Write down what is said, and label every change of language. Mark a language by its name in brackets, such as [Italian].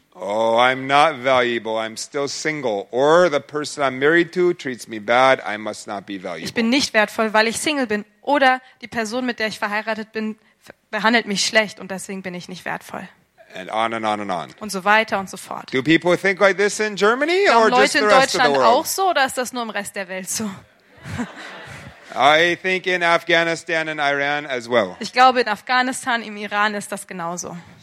[English] Oh, I'm not valuable. I'm still single. Or the person I'm married to treats me bad. I must not be valuable. [German] Ich bin nicht wertvoll, weil ich Single bin. Oder die Person, mit der ich verheiratet bin, behandelt mich schlecht und deswegen bin ich nicht wertvoll. [English] And on and on and on. [German] Und so weiter und so fort. [English] Do people think like this in Germany or just the rest of the world? [German] Leute in Deutschland auch so oder ist das nur im Rest der Welt so? [English] I think in Afghanistan and Iran as well. [German] Ich glaube, in Afghanistan, im Iran ist das genauso.